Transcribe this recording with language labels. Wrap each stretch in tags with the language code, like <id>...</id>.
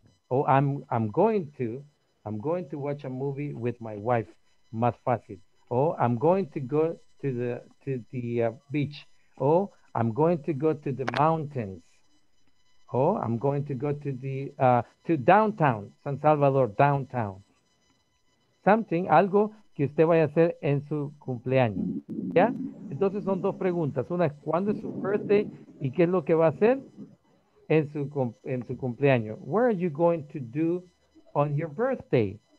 <en>I'm going to watch a movie with my wife.</en> <es>Más fácil.</es> <en>I'm going to go to the beach. Oh, I'm going to go to the mountains. Oh, I'm going to go to the to downtown, San Salvador, downtown. Something,</en> <es>algo que usted vaya a hacer en su cumpleaños. ¿Ya? Entonces son dos preguntas. Una es, ¿cuándo es su birthday? ¿Y qué es lo que va a hacer en su cumpleaños?</es> <en>What are you going to do on your birthday?</en>